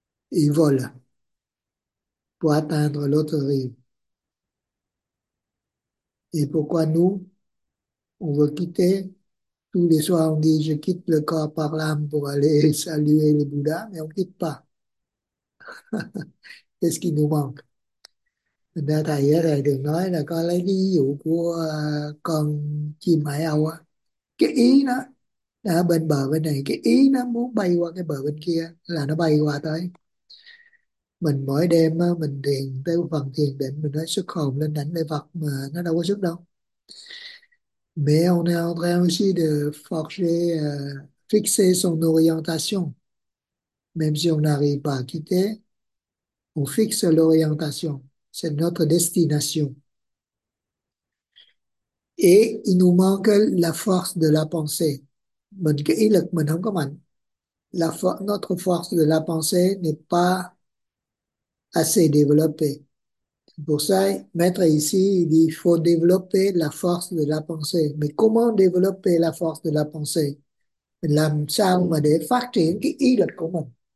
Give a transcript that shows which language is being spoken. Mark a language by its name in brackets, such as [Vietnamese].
[French] Il vole pour atteindre l'autre rive. Et pourquoi nous, on veut quitter, tous les soirs on dit, je quitte le corps par l'âme pour aller saluer le Bouddha, mais on ne quitte pas. Qu'est-ce qui nous manque? Maintenant, d'ailleurs, elle nous dit, là, quand elle dit, ou quoi, [Vietnamese] con chim hải âu, cái ý nó, là bên bờ bên này, cái ý nó muốn bay qua cái bờ bên kia, là nó bay qua tới. Mình mỗi đêm mình thiền tới phần thiền định mình nói xuất hồn lên đảnh lễ Phật mà nó đâu có xuất đâu. [French] Mais on est en train aussi de forger, fixer son orientation. Même si on n'arrive pas à quitter, on fixe l'orientation. C'est notre destination. Et il nous manque la force de la pensée. [Vietnamese] Mình cái ý lực mình không có mạnh. [French] Notre force de la pensée n'est pas assez développé. Pour ça, maître ici, il dit, il faut développer la force de la pensée. Mais comment développer la force de la pensée? [Vietnamese] Làm sao mà để phát triển cái ý lực của mình?